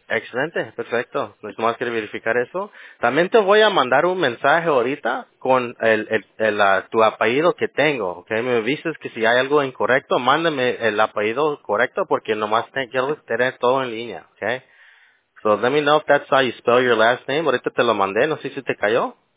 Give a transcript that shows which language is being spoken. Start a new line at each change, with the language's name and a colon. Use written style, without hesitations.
Spanish: Excelente, perfecto. Nos vamos a verificar eso. También te voy a mandar un mensaje ahorita con tu apellido que tengo, ¿ok? Me avises que si hay algo incorrecto, mándame el apellido correcto porque nomás quiero tener todo en línea, ¿ok?
English: So let me know if that's how you spell your last name.
Spanish: Ahorita te lo mandé, no sé si te cayó.